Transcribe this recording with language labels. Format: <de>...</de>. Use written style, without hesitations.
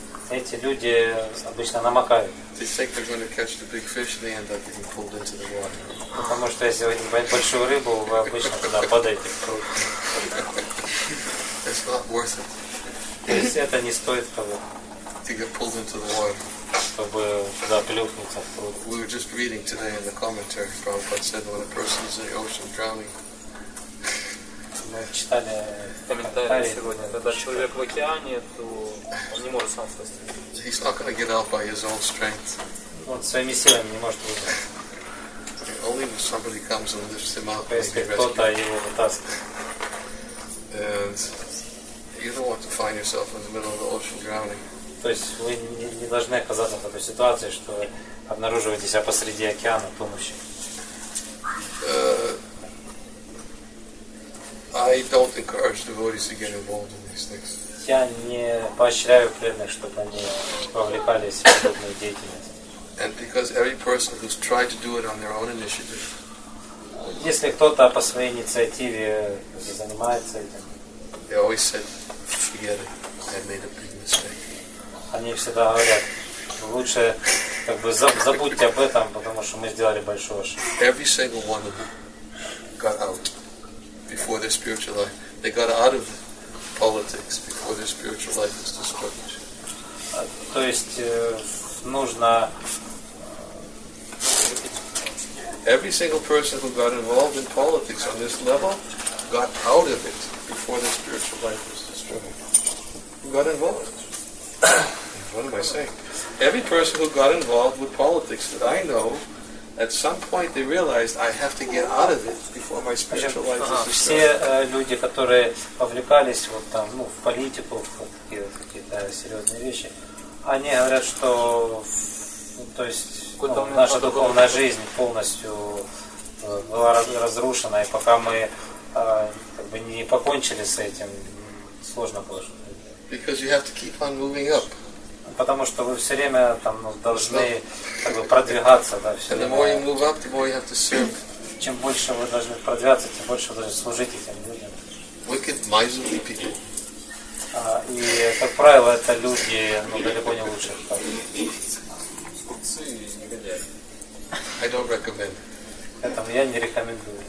<ru>Эти люди обычно намокают.</ru> <en>They think they're going to catch the big fish, and they end up getting pulled into the water.</en> <ru>Потому что если вы не поймаете большую рыбу, вы обычно туда падаете.</ru> <en>It's not worth it.</en> <ru>То есть это не стоит того.</ru> <en>To get pulled into the water.</en> <ru>Чтобы туда плюхнуться в пруд.</ru> <en>We were just reading today in the commentary, Prabhupada said, when a person is in the ocean drowning.</en> <ru>Мы читали комментарии сегодня, когда человек в океане, то он не может сам спастись.</ru> <en>He's not going to get out by his own strength.</en> <ru>Он своими силами не может выйти.</ru> <en>Only if somebody comes and lifts him up.</en> <ru>Если кто-то его вытаскивает.</ru> <en>And you don't want to find yourself in the middle of the ocean drowning.</en> <ru>То есть вы не должны оказаться в такой ситуации, что обнаруживаете себя посреди океана помощи.</ru> <en>I don't encourage devotees to get involved in these things.</en> <ru>Я не поощряю преданных, чтобы они вовлекались в подобную деятельность.</ru> <en>And because every person who's tried to do it on their own initiative.</en> <ru>Если кто-то по своей инициативе занимается этим.</ru> <en>They always said, forget it, I made a big mistake.</en> <ru>Они всегда говорят, лучше забудьте об этом, потому что мы сделали большую ошибку.</ru> <en>Every single one of them got out. Before their spiritual life, they got out of politics before their spiritual life was destroyed.</en> <ru>То есть нужно.</ru> <en>Every single person who got involved in politics on this level got out of it before their spiritual life was destroyed. Who got involved? What am I saying? Every person who got involved with politics that I know. At some point they realized I have to get out of it before my spiritual life is destroyed.</en> <ru>Все люди, которые вовлекались вот там, в политику, в какие-то серьезные вещи, они говорят, что то есть наша духовная жизнь полностью была разрушена, и пока мы не покончили с этим, сложно было.</ru> <en>Because you have to keep on moving up.</en> <ru>Потому что вы все время должны продвигаться, да, все.</ru> <en>And the more you move up, the more you have to serve.</en> <ru>Чем больше вы должны продвигаться, тем больше вы должны служить этим людям.</ru> <en>Wicked, miserly people.</en> <ru>И как правило, это люди, далеко не лучшие.</ru> <en>I don't recommend.</en> <ru>Поэтому я не рекомендую.</ru>